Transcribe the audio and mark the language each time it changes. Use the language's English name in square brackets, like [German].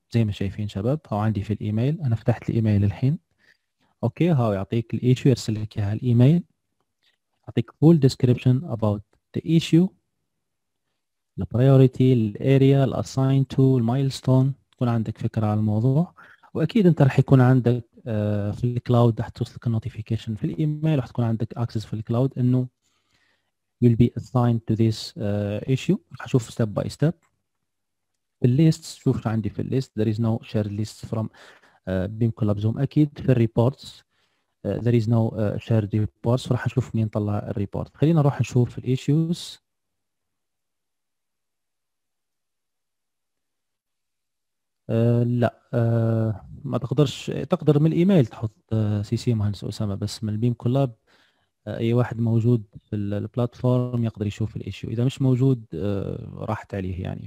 [Arabic] زي ما شايفين شباب هو عندي في الايميل، انا فتحت الايميل الحين اوكي، هاو يعطيك الايشو، يرسل لك اياها الايميل، يعطيك فول ديسكريبشن اباوت ذا ايشو، البريوريتي، الاريا، الاساين تو، المايلستون، تكون عندك فكره على الموضوع. واكيد انت راح يكون عندك في الكلاود، راح توصلك النوتيفيكيشن في الايميل، راح تكون عندك اكسس في الكلاود انه [English] will be assigned to this issue. [Arabic] راح اشوف ستيب باي ستيب الليست، شوف شو عندي في الليست. [English] There is no shared list from BIMcollab Zoom. [Arabic] اكيد في الريبورتس [English] there is no shared reports، [Arabic] راح اشوف مين طلع الريبورت. خلينا نروح نشوف في الايشوز. لا ما تقدرش، تقدر من الايميل تحط سي سي مهندس اسامه، بس من البيم كولاب اي واحد موجود في البلاتفورم يقدر يشوف الايشو، اذا مش موجود راحت عليه يعني.